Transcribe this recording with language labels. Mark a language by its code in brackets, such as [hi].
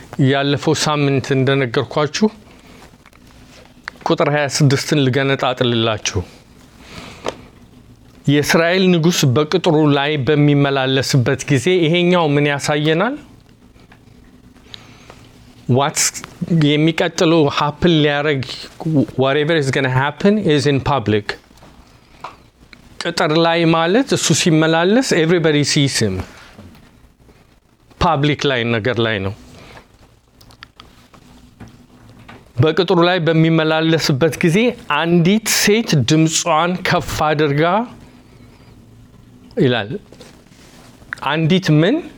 [am] ያለፈው ሳምንት እንደነገርኳችሁ ቁጥር 26ን ልገነጣጥልላችሁ። የእስራኤል ንጉስ በቅጥሩ ላይ በሚመላለስበት ጊዜ ይሄኛው ምን ያሳየናል? [en] What's [am] የሚቀጥለው [en] happen [am] ሊያረግ [en] whatever is going to happen is in public. [am] ቁጥር ላይ ማለት እሱ ሲመላለስ [en] everybody sees him. public line [am] ነገር ላይ ነው። በቅጥሩ ላይ በሚመላለስበት ጊዜ አንዲት ሴት ድምጿን ከፍ አድርጋ ይላል። አንዲት ምን?